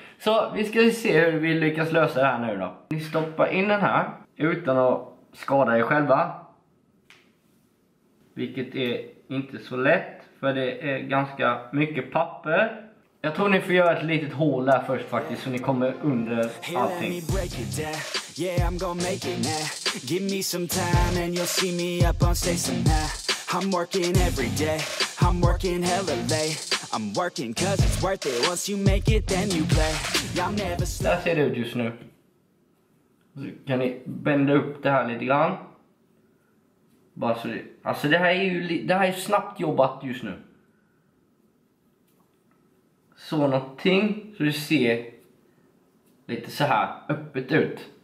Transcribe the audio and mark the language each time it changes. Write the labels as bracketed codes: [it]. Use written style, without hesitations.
[sv] Så vi ska se hur vi lyckas lösa det här nu då. Ni stoppar in den här utan att skada er själva. Vilket är inte så lätt, för det är ganska mycket papper. Jag tror ni får göra ett litet hål där först faktiskt, så ni kommer under allting. [en] Yeah, I'm gonna make it now. Give me some time and you'll see me up on stage somehow. I'm working every day. I'm working hella late. I'm working cause it's worth it. Once you make it then you play. I'll never stop. [sv] Där ser det ut just nu. Så kan ni bända upp det här lite grann. Bara så det. Alltså det här är ju snabbt jobbat just nu. Så någonting, så du ser lite så här öppet ut.